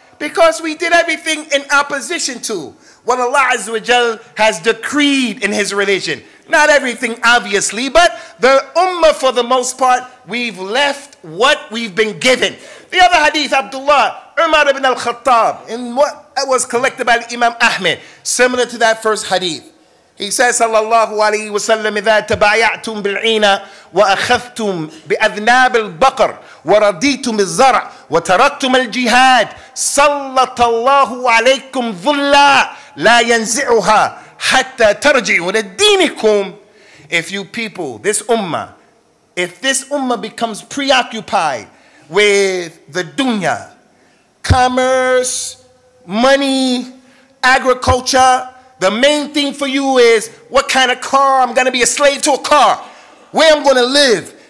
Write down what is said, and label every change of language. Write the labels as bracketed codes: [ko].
[en] Because we did everything in opposition to what Allah Azza wa Jal has decreed in his religion. Not everything, obviously, but the ummah, for the most part, we've left what we've been given. The other hadith, Abdullah, Umar ibn al-Khattab, in what was collected by Imam Ahmed, similar to that first hadith. He says, [ar] sallallahu alayhi wa sallam, إذا تبايعتم بالعينة وأخذتم بأذناب البقر ورديتم الزرع وتركتم الجهاد سلط الله عليكم ظلا لا ينزعها حتى ترجعوا لدينكم. [en] If you people, this ummah, if this ummah becomes preoccupied with the dunya, commerce, money, agriculture, the main thing for you is what kind of car, I'm going to be a slave to a car, where I'm going to live.